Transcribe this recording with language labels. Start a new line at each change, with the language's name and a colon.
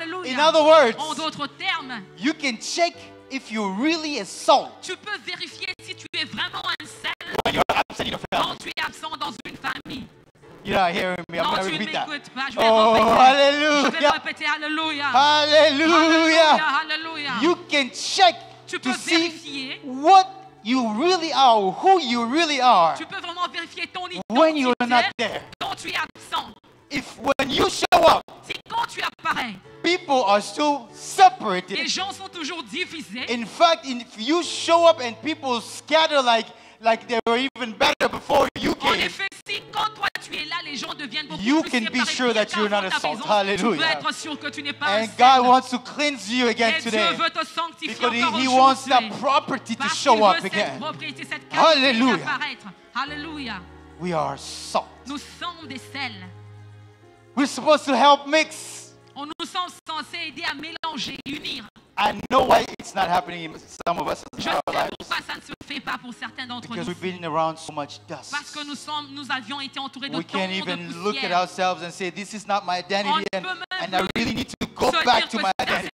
English: In other words, you can check if you're really a salt.
French: Tu peux vérifier si tu es vraiment un sel.
English: When you're absent in your family.
French: Quand tu es absent dans une famille.
English: You're not hearing me. I'm going to repeat that. Oh, hallelujah.
French: Je vais répéter, hallelujah.
English: Hallelujah.
French: Hallelujah.
English: You can check
French: tu peux
English: to
French: vérifier
English: see what you really are, who you really are.
French: Tu peux vraiment vérifier ton identité
English: when you're not there.
French: Quand tu es absent.
English: If when you show up,
French: si quand tu apparais,
English: people are still separated.
French: Les gens sont toujours divisés.
English: In fact, if you show up and people scatter like they were even better before you came,
French: en effet, si quand toi tu es là, les gens deviennent
English: you can be sure that you're not a salt. Hallelujah.
French: Tu peux être sûr que tu n'es pas
English: and God wants to cleanse you again
French: et
English: today.
French: Dieu veut te sanctifier
English: because
French: encore
English: he wants that property to show up again.
French: Propriété, cette hallelujah. Apparaître. Hallelujah.
English: We are salt.
French: Nous sommes des sels.
English: We're supposed to help mix.
French: On nous sommes censés aider à mélanger, unir.
English: I know why it's not happening in some of us.
French: Je sais pourquoi ça ne se fait pas pour certains d'entre nous.
English: Because we've been around so much dust.
French: Parce que nous avions été entourés de tant de poussière.
English: We can't even look at ourselves and say this is not my identity and I really need to go back to my identity.